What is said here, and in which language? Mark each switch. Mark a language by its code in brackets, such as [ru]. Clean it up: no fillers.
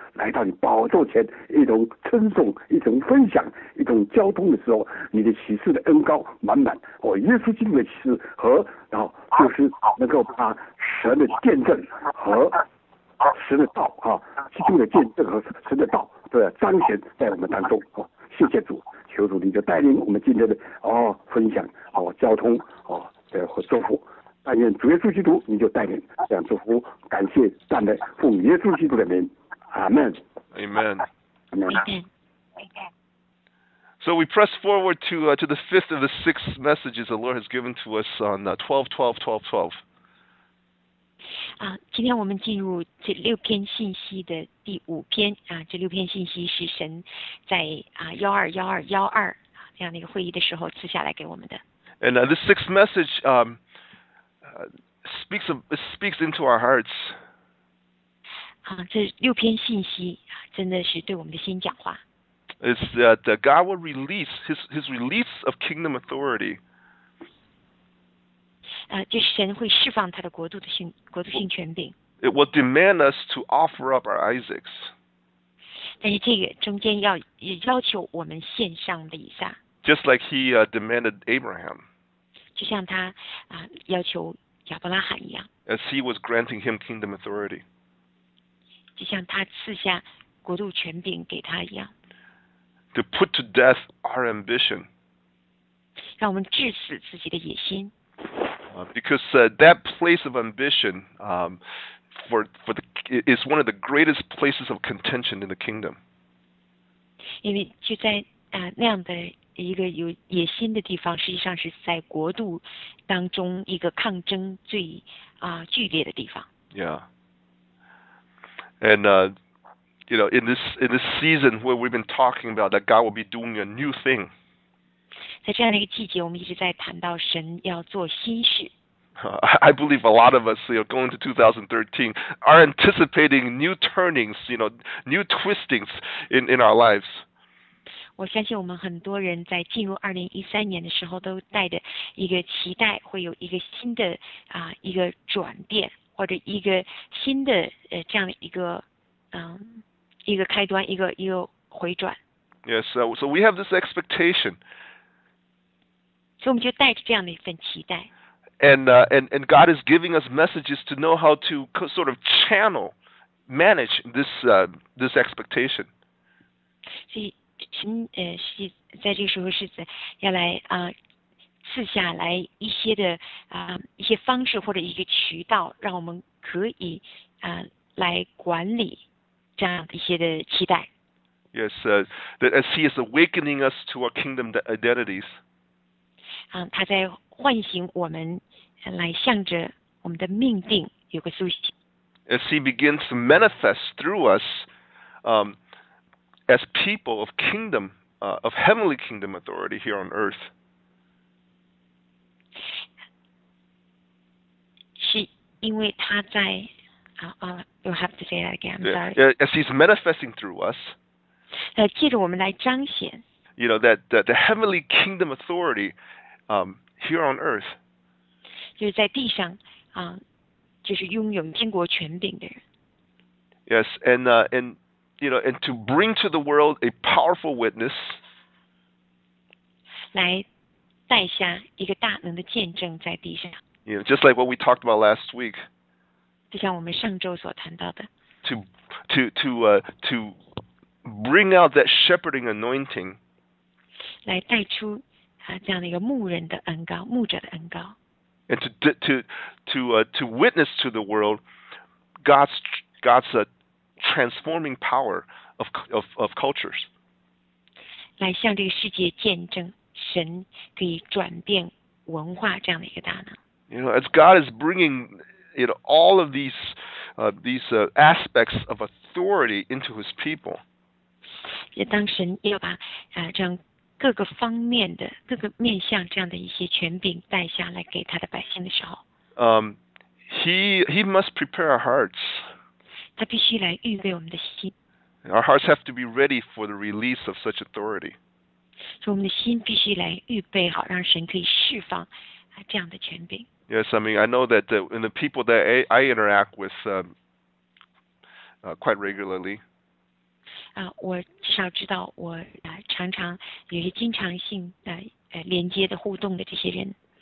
[zh] 来到你宝座前，一同称颂，一同分享，一同交通的时候，你的启示的恩高满满，耶稣基督的启示和然后就是能够把神的见证和神的道基督的见证和神的道都要彰显在我们当中谢谢主，求主你就带领我们今天的分享交通和祝福，但愿主耶稣基督你就带领这样祝福，感谢赞美奉耶稣基督的名。 [en] Amen. Amen. Amen. So we press forward to the fifth of the six messages the Lord has given to us on 12-12-12-12. [zh] 今天我们进入这六篇信息的第五篇这六篇信息是神在12-12-12这样的一个会议的时候赐下来给我们的。 [en] And this sixth message speaks into our hearts. [zh] 啊，这六篇信息真的是对我们的心讲话。 [en] It's that God will release his release of kingdom authority. [zh] 就是神会释放他的国度性权柄。 [en] It will demand us to offer up our Isaacs. [zh] 但是这个中间要也要求我们献上的以撒。 [en] Just like he demanded Abraham. [zh] 就像他要求亚伯拉罕一样。 [en] As he was granting him kingdom authority. [zh] 就像他赐下国度权柄给他一样。 [en] To put to death our ambition. [zh] 让我们致死自己的野心。 [en] Because that place of ambition for the, is one of the greatest places of contention in the kingdom. [zh] 因为就在那样的一个有野心的地方，实际上是在国度当中一个抗争最剧烈的地方。 [en] Yeah. And you know, in this season where we've been talking about that God will be doing a new thing. [zh] 在这样的一个季节，我们一直在谈到神要做新事。 [en] I believe a lot of us, you know, going to 2013, are anticipating new turnings, you know, new twistings in our lives. [zh] 我相信我们很多人在进入2013年的时候都带着一个期待会有一个新的一个转变或者一个新的这样的一个一个开端一个回转。 [en] Yes, so we have this expectation. [zh] 所以我们就带着这样的一份期待。 [en] And God is giving us messages to know how to sort of channel, manage this expectation. [zh] 是在这个时候是要来赐下来一些的一些方式或者一个渠道，让我们可以来管理这样一些的期待。 [en] Yes, that as He is awakening us to our kingdom identities. [zh] 他在唤醒我们来向着我们的命定有个苏醒。 [en] As He begins to manifest through us, as people of kingdom, of heavenly kingdom authority here on earth. [zh] 是因为他在 [en] you'll have to say that again, As he's manifesting through us, [zh] 借着我们来彰显, [en] you know, that the heavenly kingdom authority here on earth, [zh] 就是在地上就是拥有天国权柄的人。 [en] Yes, and you know, and to bring to the world a powerful witness. [zh] 来带下一个大能的见证在地上。 [en] You know, just like what we talked about last week. [zh] 就像我们上周所谈到的。 [en] To bring out that shepherding anointing. [zh] 来带出这样的一个牧人的恩膏，牧者的恩膏。 [en] And to witness to the world God's transforming power of cultures. [zh] 来向这个世界见证神可以转变文化这样的一个大能。 [en] You know, as God is bringing, you know, all of these aspects of authority into His people. [zh] 也当神要把这样各个方面的各个面向这样的一些权柄带下来给他的百姓的时候。 [en] He must prepare our hearts. [zh] 他必须来预备我们的心。 [en] Our hearts have to be ready for the release of such authority. [zh] 所以我们的心必须来预备好，让神可以释放这样的权柄。 [en] Yes, I mean, I know that in the people that I interact with quite regularly. [zh] 我至少知道我常常有些经常性的连接的互动的这些人。